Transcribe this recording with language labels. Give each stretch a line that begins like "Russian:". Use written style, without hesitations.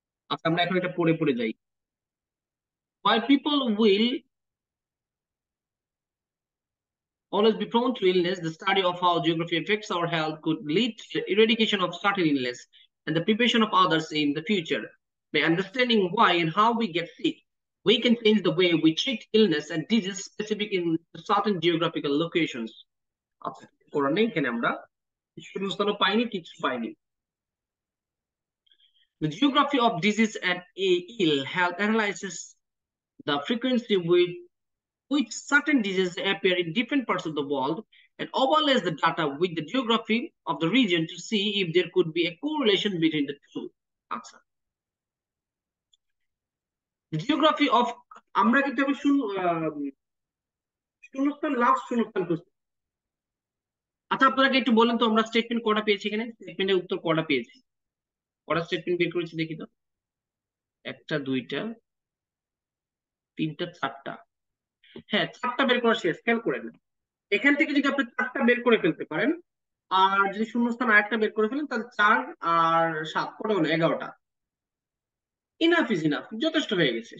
Bangla: আচ্ছা আমরা এখন এটা পড়ে পড়ে যাই,
English: Why people will always be prone to illness, the study of how geography affects our health could lead to eradication of certain illness and the preparation of others in the future, By understanding why and how we get sick, we can change the way we treat illness and disease specific in certain geographical locations.
Bangla: আচ্ছা করা নেই এখানে আমরা শূন্যস্থান পাইনি কিছু পাইনি,
English: the geography of disease and ill health analyzes the frequency with which certain diseases appear in different parts of the world and overlays the data with the geography of the region to see if there could be a correlation between the two. Answer. The geography of
Bangla: আমরা কিন্তু আমি শূন্যস্থান লাভ শূন্যস্থান করছি। আচ্ছা আপনারা একটু বলেন তো আমরা স্টেটমেন্ট কটা পেয়েছি এখানে, স্টেটমেন্টের উত্তর কটা পেয়েছি, কটা স্টেটমেন্ট বের করেছি দেখি তো, একটা দুইটা তিনটা চারটা, হ্যাঁ চারটা বের করা শেষ, খেয়াল করেন এখান থেকে যদি আপনি চারটা বের করে ফেলতে পারেন আর যদি শূন্যস্থান আরেকটা বের করে ফেলেন তাহলে চার আর সাত কটা হলো 11টা,
English: enough is enough,
Bangla: যথেষ্ট হয়ে গেছে।